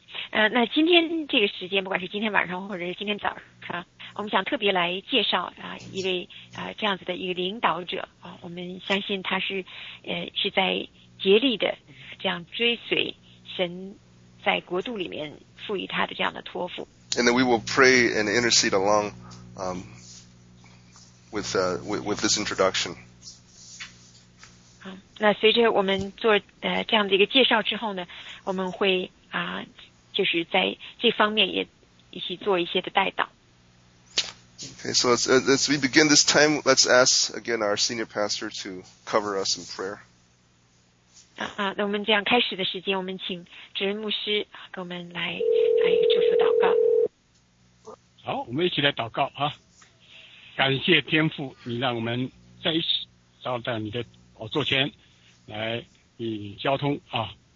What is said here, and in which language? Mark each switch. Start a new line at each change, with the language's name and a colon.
Chinese: 那今天这个时间，不管是今天晚上或者是今天早上，我们想特别来介绍一位这样子的一个领导者我们相信他是在竭力的这样追随神在国度里面赋予他的这样的托付。
English: And then we will pray and intercede along with this introduction.
Chinese: 那随着我们做这样的一个介绍之后呢，我们会就是在这方面也一起做一些的带导。
English: Okay, so as we begin this time, let's ask again our senior pastor to cover us in prayer.
Chinese: 那我们这样开始的时间，我们请执任牧师给我们来祝福祷告。好，我们一起来祷告啊！感谢天父，你让我们在一起到达你的宝座前来与你交通啊！